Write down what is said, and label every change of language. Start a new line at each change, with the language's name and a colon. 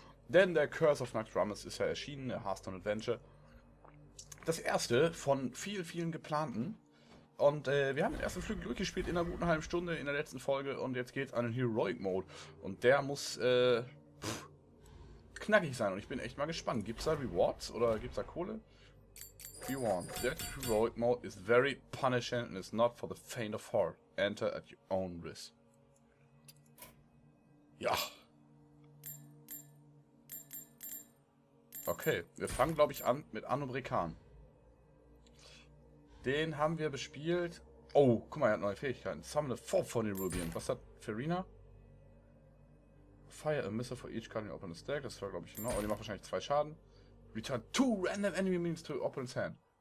German: Denn der Curse of Nuxdramus ist ja erschienen, der Hearthstone Adventure. Das erste von vielen, vielen geplanten. Und wir haben den ersten Flügel durchgespielt in einer guten halben Stunde in der letzten Folge. Und jetzt geht's an den Heroic Mode. Und der muss knackig sein. Und ich bin echt mal gespannt. Gibt's da Rewards oder gibt's da Kohle?
English: Be warned, that heroic mode is very punishing and is not for the faint of heart. Enter at your own risk.
German: Ja. Okay, wir fangen, glaube ich, an mit Anubrikan. Den haben wir bespielt. Oh, guck mal, er hat neue Fähigkeiten.
English: Summon a 440 Rubian.
German: Was hat Ferina?
English: Fire a missile for each card you open the stack.
German: Das war, glaube ich, genau. Aber die macht wahrscheinlich 2 Schaden.
English: Return 2 random enemy minions to opponent's hand.